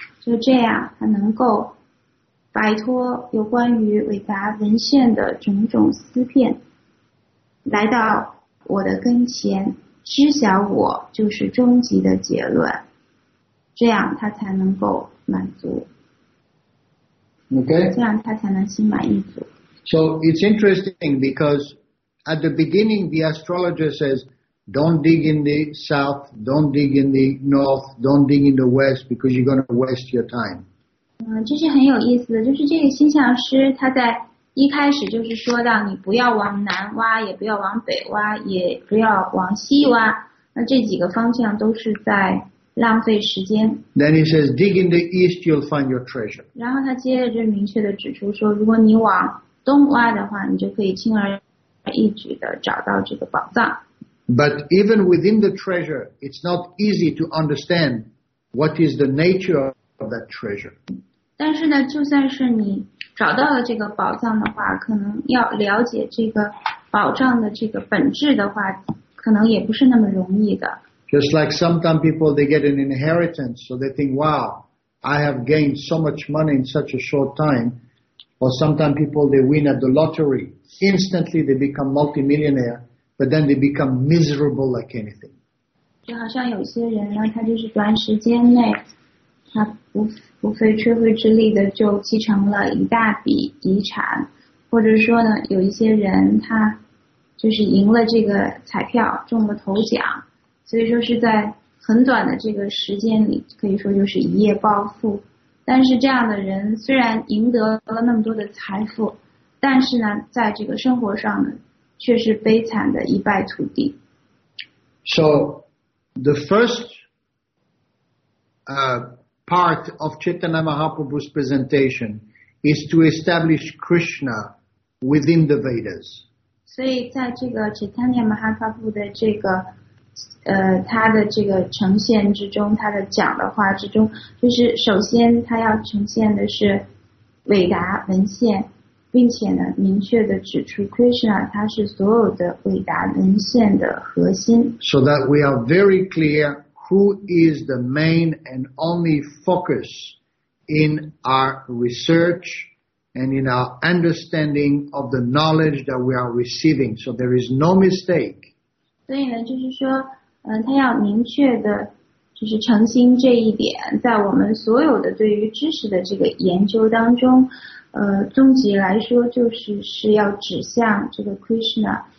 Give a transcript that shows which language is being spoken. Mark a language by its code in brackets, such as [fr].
[zh] 就这样，他能够。摆脱有关于伟达文献的种种思辨，来到我的跟前，知晓我就是终极的结论，这样他才能够满足。 OK，这样他才能心满意足。 [en] So it's interesting because at the beginning the astrologer says, "Don't dig in the south, don't dig in the north, don't dig in the west, because you're going to waste your time." [zh] 这是很有意思的，就是这个星象师他在一开始就是说到，你不要往南挖，也不要往北挖，也不要往西挖，那这几个方向都是在浪费时间。 [en] Then he says, dig in the east, you'll find your treasure. [zh] 然后他接着就明确的指出说，如果你往东挖的话，你就可以轻而易举的找到这个宝藏。 [en] But even within the treasure, it's not easy to understand what is the nature of. That treasure. [zh] 但是呢，就算是你找到了这个宝藏的话，可能要了解这个宝藏的这个本质的话，可能也不是那么容易的。 [en] Just like sometimes people they get an inheritance, so they think, "Wow, I have gained so much money in such a short time." Or sometimes people they win at the lottery, instantly they become multimillionaire, but then they become miserable like anything. [zh] 就好像有些人呢，他就是短时间内。他不费吹灰之力的就继承了一大笔遗产，或者说呢，有一些人他就是赢了这个彩票，中了头奖，所以说是在很短的这个时间里，可以说就是一夜暴富。但是这样的人虽然赢得了那么多的财富，但是呢，在这个生活上呢，却是悲惨的一败涂地。 [en] So the first, part of Chaitanya Mahaprabhu's presentation is to establish Krishna within the Vedas. [zh] 所以在这个 Chaitanya Mahaprabhu 的这个他的这个呈现之中，他的讲的话之中，就是首先他要呈现的是伟达文献，并且呢明确的指出 Krishna 他是所有的伟达文献的核心。 [en] So that we are very clear. Who is the main and only focus in our research and in our understanding of the knowledge that we are receiving? So there is no mistake. [zh] 所以呢，就是说，他要明确的，就是澄清这一点，在我们所有的对于知识的这个研究当中，终极来说，就是要指向这个 Krishna，